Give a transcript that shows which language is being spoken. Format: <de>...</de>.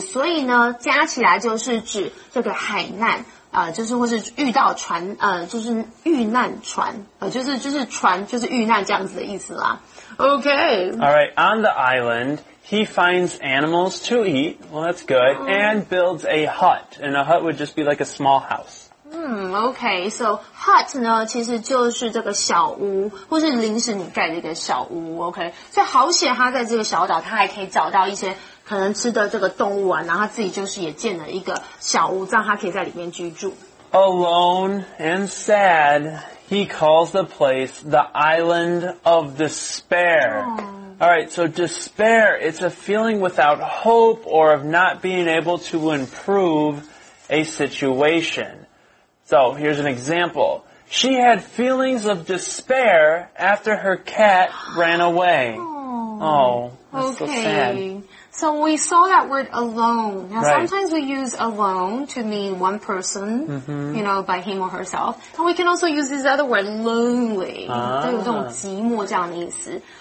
<zh>所以呢，加起来就是指这个海难，就是或是遇到船，就是遇难船，就是船就是遇难这样子的意思啦。</zh> <en>Okay. All right. On the island, he finds animals to eat. Well, that's good. And builds a hut. And a hut would just be like a small house. Okay, so</en> <zh>hut 呢其实就是这个小屋或是临时你盖的一个小屋 okay? 所以好险他在这个小岛他还可以找到一些可能吃的这个动物啊然后他自己就是也建了一个小屋让他可以在里面居住</zh> <en>Alone and sad, he calls the place the Island of Despair、Alright, so despair, it's a feeling without hope or of not being able to improve a situationSo, here's an example. She had feelings of despair after her cat ran away. Oh, that's okay. So sad. So we saw that word alone. Now, sometimes we use alone to mean one person,、you know, by him or herself. And we can also use this other word, lonely.</en> <zh>都有这种寂寞这样的意思。</zh>